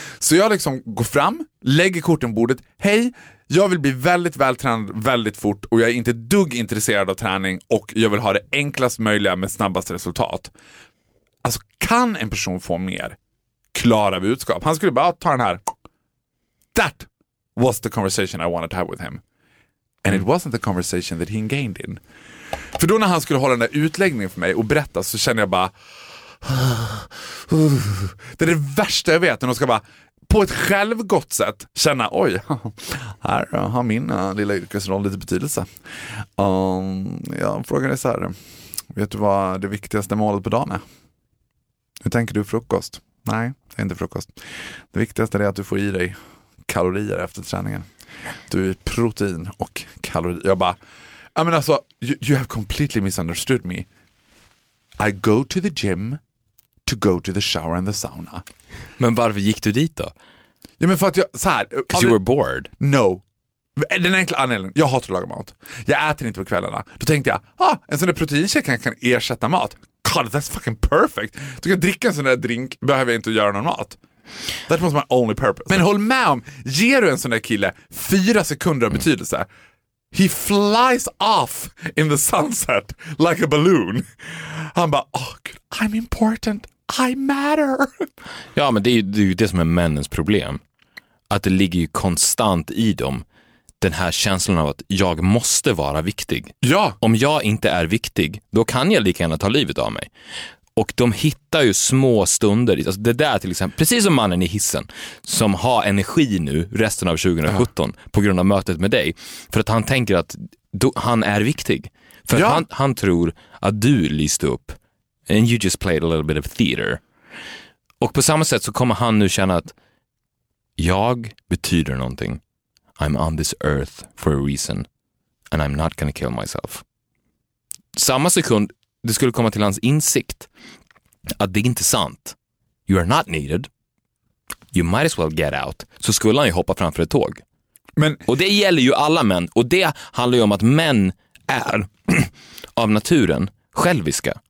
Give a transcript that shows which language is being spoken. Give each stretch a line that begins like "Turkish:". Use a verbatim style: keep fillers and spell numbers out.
Swedish: Så jag liksom går fram, lägger korten på bordet. Hej, jag vill bli väldigt vältränad väldigt fort och jag är inte ett dugg intresserad av träning och jag vill ha det enklast möjliga med snabbast resultat. Alltså kan en person få mer klara budskap? Han skulle bara ta den här.
English: That was the conversation I wanted to have with him. And it wasn't the conversation that he gained in.
Swedish: För då när han skulle hålla den där utläggningen för mig och berätta så kände jag bara det är det värsta jag vet. När de ska bara på ett självgott sätt känna, oj, här har min lilla yrkesroll lite betydelse. Um, jag frågade så här, vet du vad det viktigaste målet på dagen är? Hur tänker du frukost? Nej, det är inte frukost. Det viktigaste är att du får i dig kalorier efter träningen. Du är protein och kalorier. Jag bara,
English: I mean
Swedish: alltså,
English: you, you have completely misunderstood me. I go to the gym to go to the shower and the sauna.
Swedish: Men varför gick du dit då? Ja, men för att jag, så här.
English: Because you were bored? No.
Swedish: Den enkla anledningen, jag hatar att laga mat. Jag äter inte på kvällarna. Då tänkte jag, ah, en sån där proteinshake kan, kan ersätta mat.
English: God, that's fucking perfect.
Swedish: Du kan dricka en sån där drink, behöver jag inte göra någon mat.
English: That was my only purpose.
Swedish: Men håll med om, ger du en sån där kille fyra sekunder av betydelse,
English: he flies off in the sunset like a balloon.
Swedish: Han bara,
English: oh
Swedish: gud,
English: I'm important, I matter.
Swedish: Ja, men det är ju det, är det som är männens problem. Att det ligger ju konstant i dem den här känslan av att jag måste vara viktig. Ja. Om jag inte är viktig, då kan jag lika gärna ta livet av mig. Och de hittar ju små stunder. Alltså det där till exempel, precis som mannen i hissen som har energi nu resten av tjugohundrasjutton uh-huh. på grund av mötet med dig. För att han tänker att då, han är viktig. För ja. att han, han tror att du lyste upp.
English: And you just played a little bit of theater.
Swedish: Och på samma sätt så kommer han nu känna att jag betyder någonting.
English: I'm on this earth for a reason and I'm not gonna kill myself.
Swedish: Samma sekund det skulle komma till hans insikt att det är inte sant.
English: You are not needed. You might as well get out.
Swedish: Så skulle han ju hoppa framför ett tåg. Men... Och det gäller ju alla män. Och det handlar ju om att män är av naturen själviska.